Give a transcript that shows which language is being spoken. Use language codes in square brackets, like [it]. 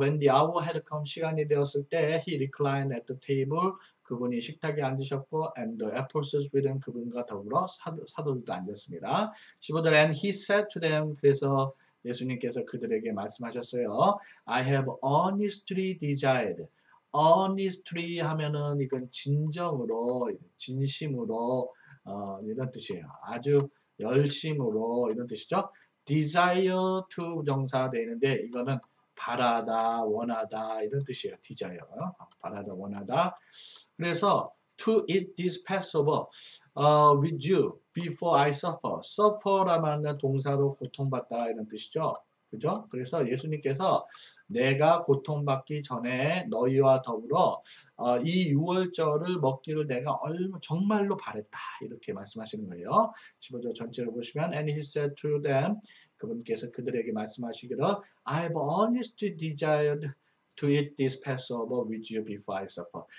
[en] When the hour had come, [ko] 시간이 되었을 때, [en] he reclined at the table. [ko] 그분이 식탁에 앉으셨고, [en] and the apostles with him. [ko] 그분과 더불어 사도들도 앉았습니다. 15절. [en] And he said to them. [ko] 그래서 예수님께서 그들에게 말씀하셨어요. [en] I have honestly desired. [ko] Honestly 하면은 이건 진정으로, 진심으로 이런 뜻이에요. 아주 열심으로 이런 뜻이죠. Desire to 명사되어 있는데 이거는 바라다, 원하다 이런 뜻이에요. Desire 바라다, 원하다. 그래서 [en] to eat this Passover with you before I suffer. [ko] Suffer라는 동사로 고통받다 이런 뜻이죠. 그죠? 그래서 예수님께서 내가 고통받기 전에 너희와 더불어 이 유월절을 먹기를 내가 정말로 바랬다. 이렇게 말씀하시는 거예요. 15절 전체를 보시면 [en] And he said to them, [ko] 그분께서 그들에게 말씀하시기를 [en] I have honestly desired to eat this Passover with you before I suffer.